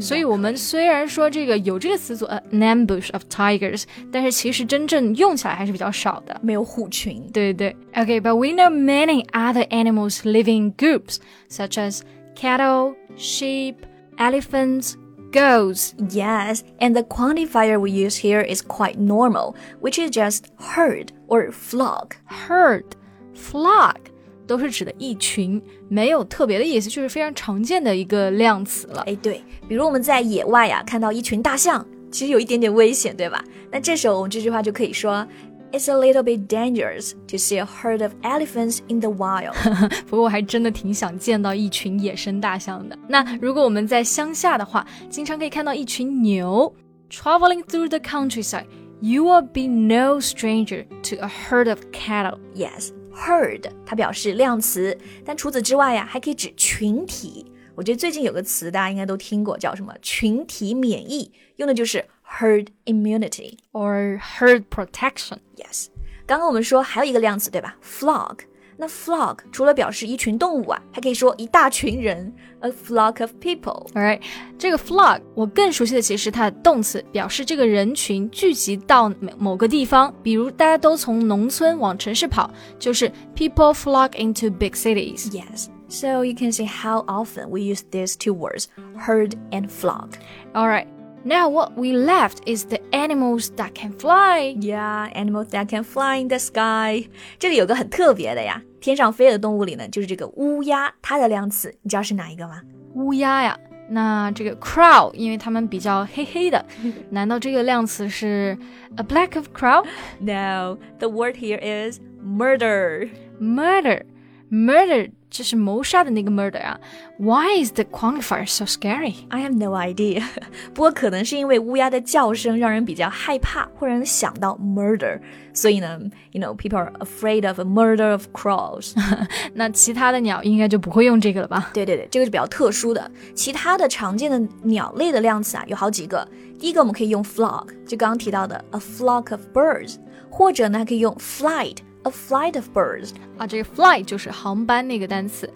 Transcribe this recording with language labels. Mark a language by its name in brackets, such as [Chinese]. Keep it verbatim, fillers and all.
[Chinese] 所以我们虽然说这个有这个词组 [English] An ambush of tigers [Chinese] 但是其实真正用起来还是比较少的，没有虎群。对对 [English] Okay, but we know many other animals living in groups such as cattle, sheep, elephants, goats. Yes, and the quantifier we use here is quite normal, which is just herd or flock. Herd, flock. [Chinese] 都是指的一群，没有特别的意思，就是非常常见的一个量词了。哎，对，比如我们在野外啊，看到一群大象，其实有一点点危险，对吧？那这时候我们这句话就可以说 [English] It's a little bit dangerous to see a herd of elephants in the wild. [Chinese] 不过我还真的挺想见到一群野生大象的。那如果我们在乡下的话，经常可以看到一群牛 [English] Traveling through the countryside, you will be no stranger to a herd of cattle. Yes. [Chinese] Herd 它表示量词，但除此之外呀，还可以指群体。我觉得最近有个词大家应该都听过，叫什么群体免疫，用的就是 herd immunity [English] or herd protection. Yes. [Chinese] 刚刚我们说还有一个量词，对吧 ？flock. 那 flock 除了表示一群动物啊，还可以说一大群人 ， [English] a flock of people. All right. [Chinese] 这个 flock 我更熟悉的其实它的动词表示这个人群聚集到某个地方，比如大家都从农村往城市跑，就是 [English] people flock into big cities. Yes. So you can see how often we use these two words, herd and flock. All right. Now what we left is the animals that can fly. Yeah, animals that can fly in the sky. [Chinese] 这里有个很特别的呀，天上飞的动物里呢，就是这个乌鸦，它的量词，你知道是哪一个吗？乌鸦呀，那这个 crow， 因为它们比较黑黑的，难道这个量词是 [English] a black of crow? No, the word here is murder. Murder, murder. [Chinese] 这是谋杀的那个 [English] murder 啊 Why is the quantifier so scary? I have no idea [Chinese] 不过可能是因为乌鸦的叫声让人比较害怕，会让人想到 murder 所以呢 [English] you know, people are afraid of a murder of crows [Chinese] 那其他的鸟应该就不会用这个了吧？对对对，这个是比较特殊的。其他的常见的鸟类的量词啊有好几个。第一个我们可以用 flock 就刚刚提到的 [English] a flock of birds [Chinese] 或者呢还可以用 flight [English] A flight of birds [Chinese] 啊，这个 flight 就是航班那个单词，